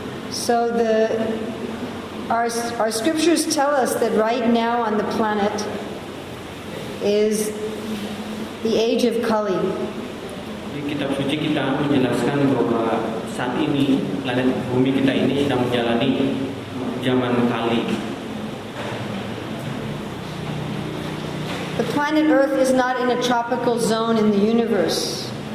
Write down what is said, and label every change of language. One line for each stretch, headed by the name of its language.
English: So our scriptures tell us that right now on the planet is the age of Kali.
Indonesian: Kitab suci kita menjelaskan bahwa saat ini planet bumi kita ini sedang menjalani zaman Kali.
English: The planet Earth is not in a tropical zone in the universe.